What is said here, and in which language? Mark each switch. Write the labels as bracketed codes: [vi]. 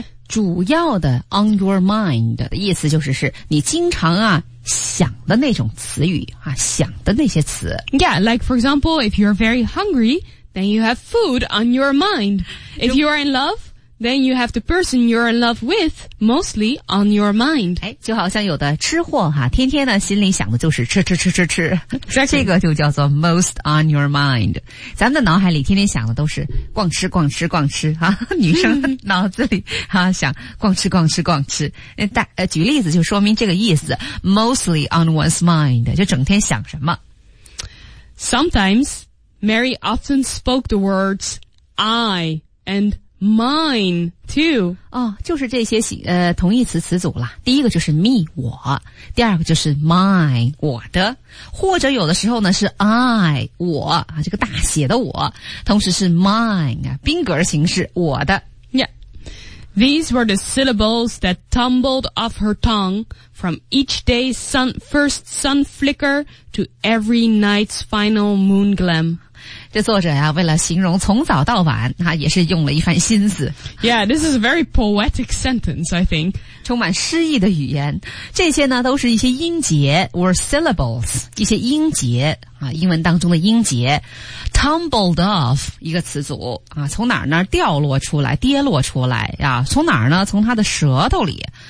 [zh] 主要的 [en] on your mind [zh] 的意思就是是你经常啊想的那种词语啊想的那些词。 [en] Yeah, like, for example, if you're very hungry, then you have food on your mind. If you are in love... Then you have the person you're in love with mostly on your mind. [zh] 哎，就好像有的吃货哈，天天呢心里想的就是吃吃吃吃吃， [en] exactly. [zh] 这个就叫做 [en] most on your mind. [zh] 咱们的脑海里天天想的都是逛吃逛吃逛吃哈、啊，女生脑子里哈、啊、想逛吃逛吃逛吃。举例子就说明这个意思 ， [en] mostly on one's mind， [zh] 就整天想什么。 [en] Sometimes Mary often spoke the words I and. Mine too. [zh] 哦，就是这些同义词词组啦。第一个就是 me 我，第二个就是 mine 我的，或者有的时候呢是 I 我啊，这个大写的我，同时是 mine 啊，宾格形式我的。 [en] Yeah, these were the syllables that tumbled off her tongue from each day's first sun flicker to every night's final moon gleam. [zh] 这作者啊为了形容从早到晚啊也是用了一番心思。 [en] Yeah, this is a very poetic sentence, I think. [zh] 充满诗意的语言。这些呢都是一些音节 [en] or syllables, [zh] 一些音节啊英文当中的音节。 [en] Tumbled off, [zh] 一个词组啊从哪儿呢掉落出来跌落出来啊从哪儿呢从他的舌头里。